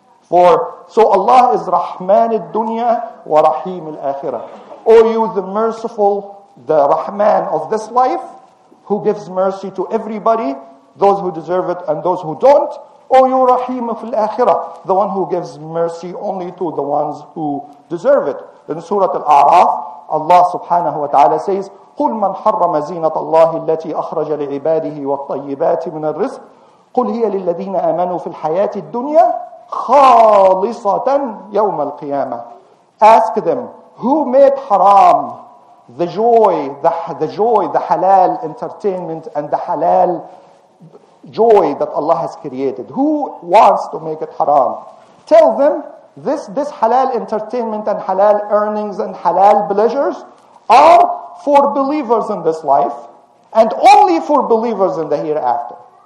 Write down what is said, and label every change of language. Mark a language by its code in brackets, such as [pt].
[en] So Allah is [ar] Rahman al-Dunya wa Rahim al-Akhirah. [en] O you, the merciful, the Rahman of this life, who gives mercy to everybody, those who deserve it and those who don't. O you, Rahim of al-Akhirah, the one who gives mercy only to the ones who deserve it. In Surah Al-A'raf, Allah subhanahu wa ta'ala says, [ar] قُلْ مَنْ حَرَّمَ زِينَةَ اللَّهِ الَّتِي أَخْرَجَ لِعِبَادِهِ وَالطَّيِّبَاتِ مِنَ الرِّزْقِ قُلْ هِيَ لِلَّذِينَ آمَنُوا فِي الْحَيَاةِ الدُّنْيَا خَالِصَةً يَوْمَ الْقِيَامَةِ. [en] Ask them, who made haram the joy, the halal entertainment and the halal joy that Allah has created? Who wants to make it haram? Tell them, this halal entertainment and halal earnings and halal pleasures are for believers in this life and only for believers in the hereafter.